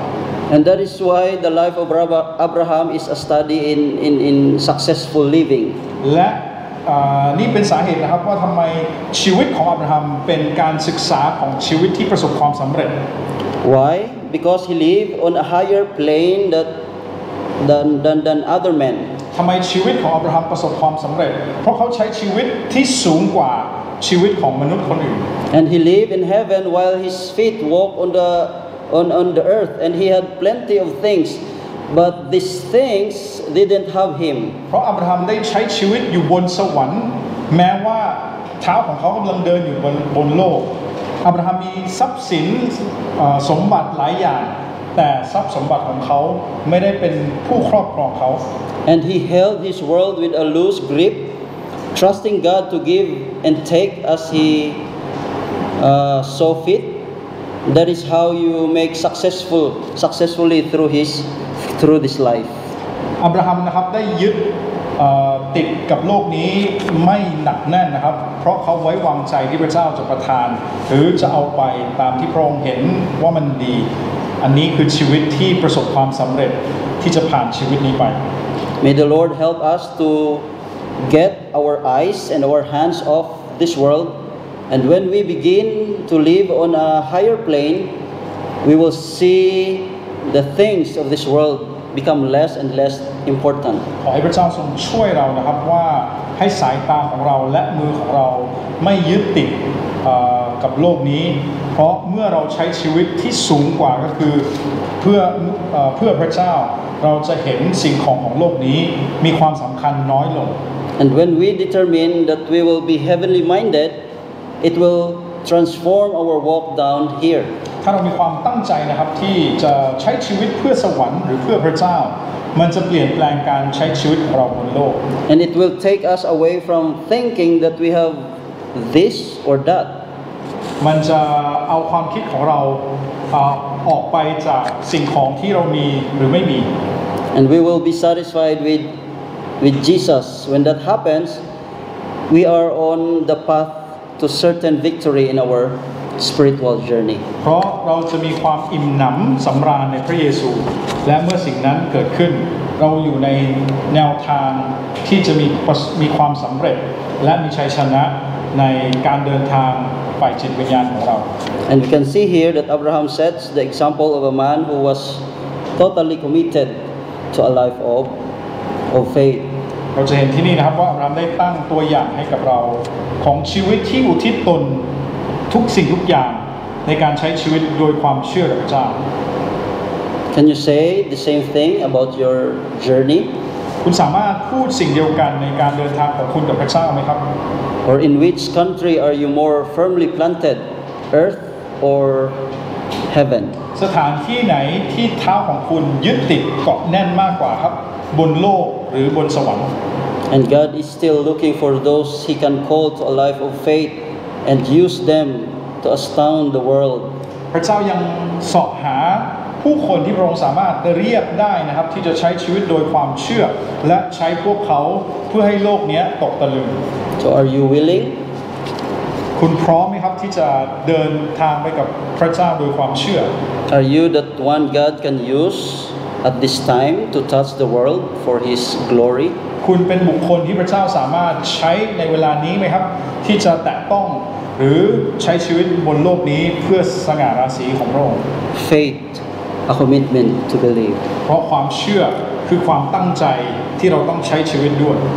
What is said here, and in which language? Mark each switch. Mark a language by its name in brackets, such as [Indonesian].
[English] And that is why the life of Abraham is a study in successful living [Thai] และนี่เป็นสาเหตุนะครับว่าทำไมชีวิตของอับราฮัมเป็นการศึกษาของชีวิตที่ประสบความสำเร็จ [English] Why because he lived on a higher plane than other men [Thai] ทำไมชีวิตของอับราฮัมประสบความสำเร็จเพราะเขาใช้ชีวิตที่สูงกว่าชีวิตของมนุษย์คนอื่น [English] And he lived in heaven while his feet walked on the earth and he had plenty of things but these things didn't have him [Thai] เพราะอับราฮัมได้ใช้ชีวิตอยู่บนสวรรค์แม้ว่าเท้าของเขากำลังเดินอยู่บนโลกอับราฮัมมีทรัพย์สินสมบัติหลายอย่างแต่ทรัพย์สมบัติของเขาไม่ได้เป็นผู้ครอบครองเขา [English] And he held his world with a loose grip, trusting God to give and take as he saw fit. That is how you make successfully through this life. [Thai] Abraham นะครับได้ยึดติดกับโลกนี้ไม่หนักแน่นนะครับเพราะเขาไว้วางใจที่พระเจ้าจะประทานหรือจะเอาไปตามที่พระองค์เห็นว่ามันดีอันนี้คือชีวิตที่ประสบความสำเร็จที่จะผ่านชีวิตนี้ไป [English] May the Lord help us to get our eyes and our hands off this world and when we begin to live on a higher plane we will see the things of this world become less and less important [Thai] ขอให้พระเจ้าทรงช่วยเรานะครับว่าให้สายตาของเราและมือของเราไม่ยึดติดกับโลกนี้เพราะเมื่อเราใช้ชีวิตที่สูงกว่าก็คือเพื่อพระเจ้าเราจะเห็นสิ่งของโลกนี้มีความสำคัญน้อยลง [English] And when we determine that we will be heavenly minded it will transform our walk down here [Thai] ถ้าเรามีความตั้งใจนะครับที่จะใช้ชีวิตเพื่อสวรรค์หรือเพื่อพระเจ้ามันจะเปลี่ยนแปลงการใช้ชีวิตของเราบนโลก [English] And it will take us away from thinking that we have this or that [Thai] มันจะเอาความคิดของเราออกไปจากสิ่งของที่เรามีหรือไม่มี [English] And we will be satisfied with Jesus when that happens we are on the path to certain victory in our spiritual journey [Thai] เพราะเราจะมีความอิ่มหนำสำราญในพระเยซูและเมื่อสิ่งนั้นเกิดขึ้นเราอยู่ในแนวทางที่จะมีความสำเร็จและมีชัยชนะในการเดินทางไปจิตวิญญาณของเรา [English] And we can see here that Abraham sets the example of a man who was totally committed to a life of faith [Thai] เราจะเห็นที่นี่นะครับว่าอับราฮัมได้ตั้งตัวอย่างให้กับเราของชีวิตที่อุทิศตนทุกสิ่งทุกอย่างในการใช้ชีวิตโดยความเชื่อพระเจ้า [English] Can you say the same thing about your journey? [Thai] คุณสามารถพูดสิ่งเดียวกันในการเดินทางของคุณกับพระเจ้าไหมครับ [English] Or in which country are you more firmly planted, earth or heaven? [Thai] สถานที่ไหนที่เท้าของคุณยึดติดเกาะแน่นมากกว่าครับบนโลกหรือบนสวรรค์ [English] And God is still looking for those He can call to a life of faith and use them to astound the world. [Thai] พระเจ้ายังสอบหาผู้คนที่พระองค์สามารถเรียกได้นะครับที่จะใช้ชีวิตโดยความเชื่อและใช้พวกเขาเพื่อให้โลกนี้ตกตะลึง [English] So are you willing? [Thai] คุณพร้อมไหมครับที่จะเดินทางไปกับพระเจ้าโดยความเชื่อ [English] Are you that one God can use at this time to touch the world for His glory? [Thai] คุณเป็นบุคคลที่พระเจ้าสามารถใช้ในเวลานี้ไหมครับที่จะแตะต้องหรือใช้ชีวิตบนโลกนี้เพื่อสง่าราศีของพระองค์ [English] FaithA commitment to believe. [Thai] เพราะความเชื่อคือความตั้งใจที่เราต้องใช้ชีวิตด้วย